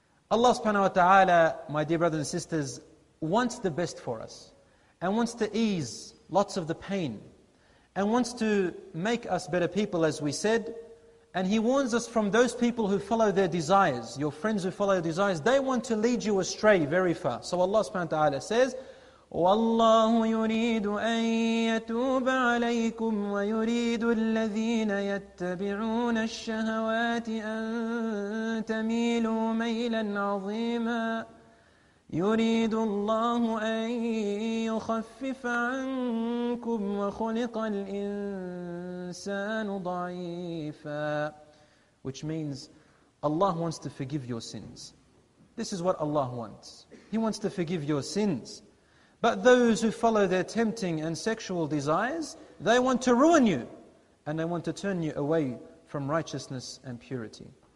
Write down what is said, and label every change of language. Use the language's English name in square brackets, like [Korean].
[English] Allah subhanahu wa ta'ala, my dear brothers and sisters, wants the best for us and wants to ease lots of the pain and wants to make us better people, as we said. And He warns us from those people who follow their desires, your friends who follow their desires, they want to lead you astray very far. So Allah subhanahu wa ta'ala says, [Arabic] وَاللَّهُ يُرِيدُ أَن يَتُوبَ عَلَيْكُمْ وَيُرِيدُ الَّذِينَ يَتَّبِعُونَ الشَّهَوَاتِ أَن تَمِيلُوا مَيْلًا عَظِيمًا. يريد الله أن يخفف عنكم وخلق الإنسان ضعيفا. [English] Which means Allah wants to forgive your sins. This is what Allah wants. He wants to forgive your sins. But those who follow their tempting and sexual desires, they want to ruin you and they want to turn you away from righteousness and purity.